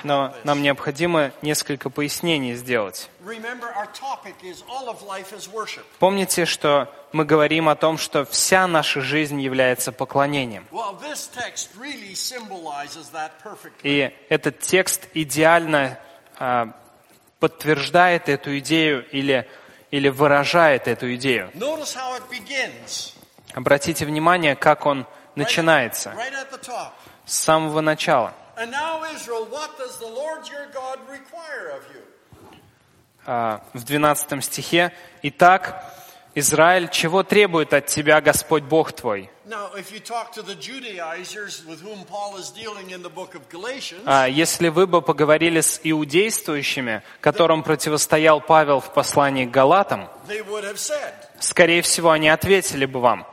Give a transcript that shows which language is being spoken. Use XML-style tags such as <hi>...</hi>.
<ru>Но нам необходимо несколько пояснений сделать.</ru> <en>Remember, our topic is all of life is worship.</en> <ru>Помните, что мы говорим о том, что вся наша жизнь является поклонением.</ru> <en>Well, this text really symbolizes that perfectly.</en> <ru>И этот текст идеально подтверждает эту идею или выражает эту идею.</ru> <en>Notice how it begins.</en> <ru>Обратите внимание, как он начинается.</ru> <en>Right at the top.</en> <ru>С самого начала.</ru> <en>And now, Israel, what does the Lord your God require of you?</en> <ru>В 12 стихе. Итак, Израиль, чего требует от тебя Господь Бог твой?</ru> <en>Now, if you talk to the Judaizers, with whom Paul is dealing in the book of Galatians,</en> <ru>если вы бы поговорили с иудействующими, которым противостоял Павел в послании к Галатам,</ru> <en>they would have said,</en> <ru>скорее всего, они ответили бы вам.</ru>